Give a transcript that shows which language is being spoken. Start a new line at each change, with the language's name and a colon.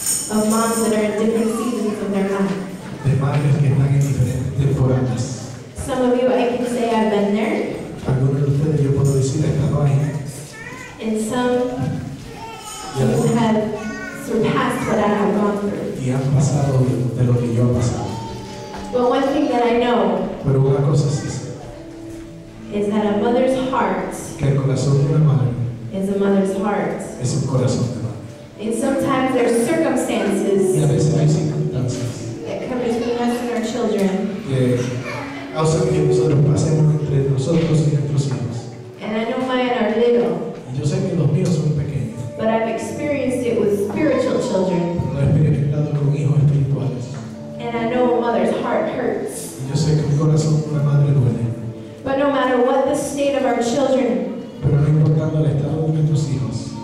English: of moms that are in different seasons of their life.
Spanish: De madres que están en diferentes temporadas.
English: Some of you I can say I've been there.
Spanish: Algunos de ustedes yo puedo decir he estado ahí.
English: And some you have surpassed what I have gone through.
Spanish: Y han pasado de lo que yo he pasado.
English: But one thing that I know,
Spanish: pero una cosa sí sé,
English: is that a mother's heart,
Spanish: que el corazón de una madre,
English: is a mother's heart,
Spanish: es un corazón de madre.
English: And sometimes there are circumstances,
Spanish: y a veces hay circunstancias,
English: that come between us and our children,
Spanish: que causan que nosotros pasemos entre nosotros y nuestros hijos.
English: And I know mine are little.
Spanish: Y yo sé que los míos son pequeños.
English: But I've experienced it with spiritual children. And I know a mother's heart hurts.
Spanish: Yo sé que el corazón de una madre duele.
English: But no matter what the state of our children,
Spanish: pero no importando el estado de nuestros hijos,